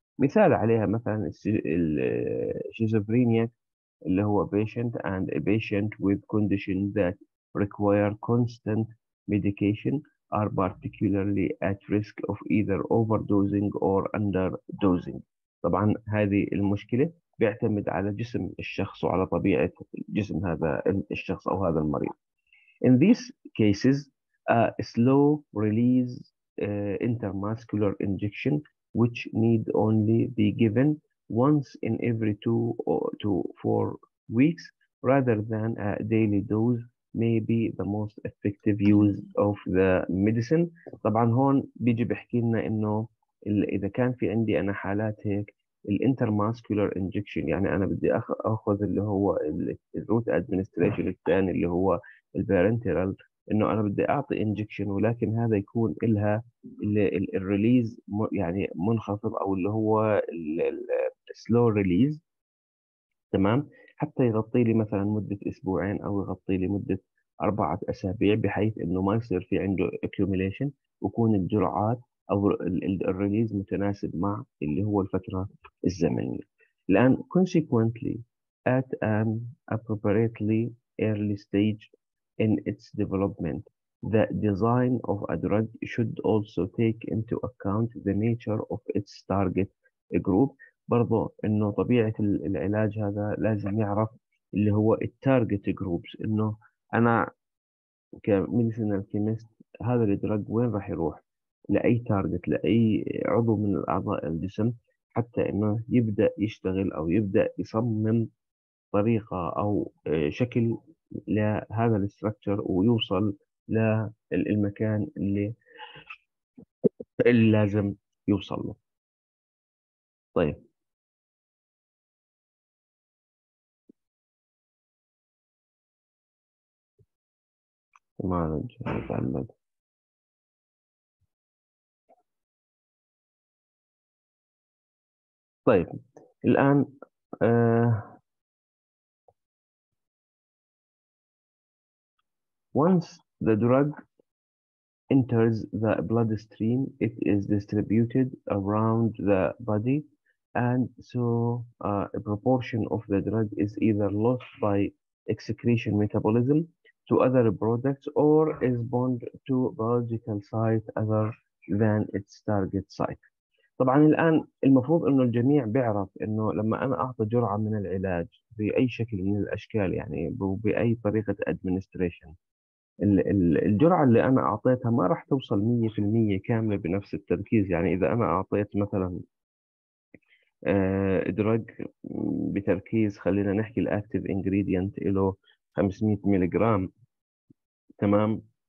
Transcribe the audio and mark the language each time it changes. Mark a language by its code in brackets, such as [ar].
[ar] مثال عليها مثلا الشيزوفرينيا، اللي هو [en] patient and a patient with condition that require constant medication are particularly at risk of either overdosing or underdosing. [ar] طبعا هذه المشكلة بيعتمد على جسم الشخص وعلى طبيعة جسم هذا الشخص أو هذا المريض. [en] In these cases, a slow release intramuscular injection which need only be given once in every 2 to 4 weeks rather than a daily dose may be the most effective use of the medicine. [ar] طبعا هون بيجي بيحكي لنا انه اذا كان في عندي انا حالات هيك الانترماسكولار انجكشن، يعني انا بدي اخذ اللي هو الروت ادمنستريشن الثاني اللي هو البارنترال، انه انا بدي اعطي انجكشن ولكن هذا يكون لها الريليز يعني منخفض او اللي هو السلو ريليز، تمام، حتى يغطي لي مثلا مدة أسبوعين أو يغطي لي مدة 4 أسابيع بحيث إنه ما يصير في عنده accumulation ويكون الجرعات أو الريليز متناسب مع اللي هو الفترة الزمنية. [en] الآن consequently at an appropriately early stage in its development the design of a drug should also take into account the nature of its target group. [ar] برضو انه طبيعة العلاج هذا لازم يعرف اللي هو التارجت جروبس، انه انا كميديسينال كيمست هذا الدرج وين راح يروح، لاي تارجت، لاي عضو من اعضاء الجسم، حتى انه يبدأ يشتغل او يبدأ يصمم طريقة او شكل لهذا الاستراكشر ويوصل للمكان اللي لازم يوصل له. طيب ما نتعمد طيب الآن [en] once the drug enters the bloodstream. It is distributed around the body, and so a proportion of the drug is either lost by excretion metabolism to other products or is bound to biological site other than its target site. [ar] طبعا الآن المفروض إنه الجميع بيعرف إنه لما أنا أعطي جرعة من العلاج بأي شكل من الأشكال، يعني بأي طريقة administration، الجرعة اللي أنا أعطيتها ما راح توصل 100% كاملة بنفس التركيز. يعني إذا أنا أعطيت مثلا دراج بتركيز، خلينا نحكي الأكتيف إنجريدينت إله 500 ميلي جرام، تمام،